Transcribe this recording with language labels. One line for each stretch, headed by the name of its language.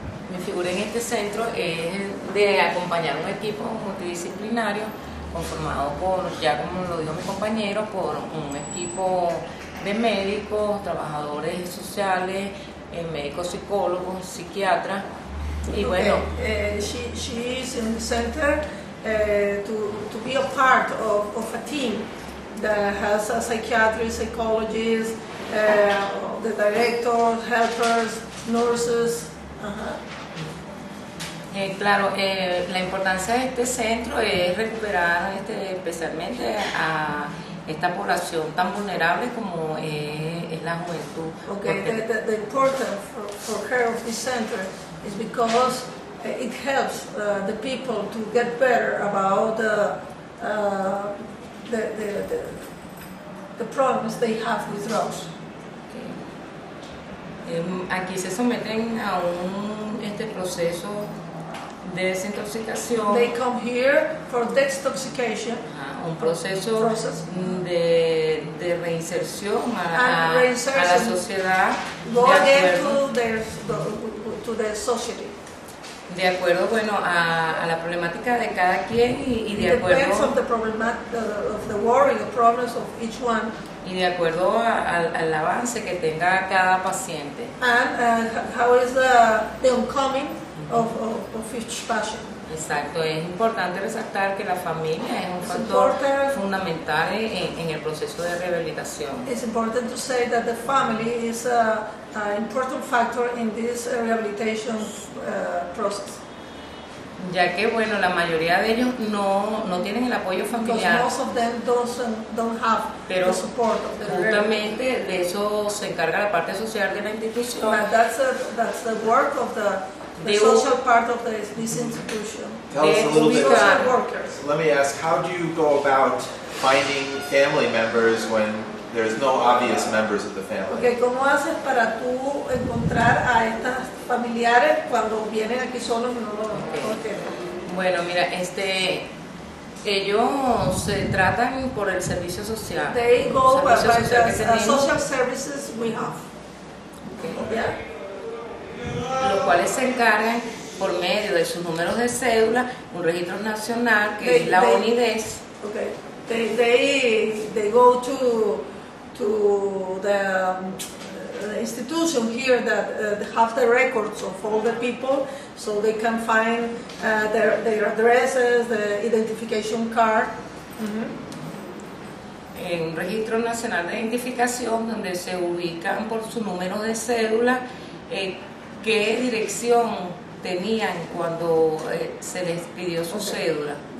Spanish: Mi figura en este centro es de acompañar un equipo multidisciplinario conformado por, ya como lo dijo mi compañero, por un equipo de médicos, trabajadores sociales, médicos psicólogos, psiquiatras. Y bueno,
English: okay. She is in the center to be a part of a team that has a psychiatrist, psychologist, the director, helpers, nurses. Uh-huh.
Spanish: Claro, la importancia de este centro es recuperar especialmente a esta población tan vulnerable como es la juventud.
English: Okay, the importance for her of this center is because it helps the people to get better about the problems they have with drugs.
Spanish: Aquí se someten a un proceso de desintoxicación.
English: They come here for detoxification.
Spanish: Un proceso de reinserción a la sociedad.
English: Go again to their to the society.
Spanish: De acuerdo, bueno, a la problemática de cada quien y de acuerdo.
English: Depends on the problem of the worry, the problems of each one.
Spanish: Y de acuerdo al avance que tenga cada paciente.
English: And how is the oncoming of each patient?
Spanish: Exacto, es importante resaltar que la familia es un factor fundamental en el proceso de rehabilitación.
English: It's important to say that the family is an important factor in this rehabilitation process.
Spanish: Ya que bueno, la mayoría de ellos no tienen el apoyo familiar.
English: Because most of them don't have
Spanish: pero
English: the support of the family.
Spanish: Justamente de eso se encarga la parte social de la institución.
English: But that's the work of the social part of this institution. Tell us a little bit. Social workers. Let me ask, how do you go about finding family members when there's no obvious members of the family?
Spanish: Okay, ¿cómo haces para tú encontrar a estas familiares cuando vienen aquí solos y no lo tienen? Bueno, mira, ellos se tratan por el servicio social.
English: They go by the social services we have. Okay. Yeah.
Spanish: Los cuales se encargan por medio de sus números de cédula, un registro nacional que es la UNIDES.
English: Okay. They go to the institution here that have the records of all the people, so they can find their addresses, the identification card. Mm-hmm.
Spanish: En un registro nacional de identificación donde se ubican por su número de cédula. ¿Qué dirección tenían cuando se les pidió su cédula?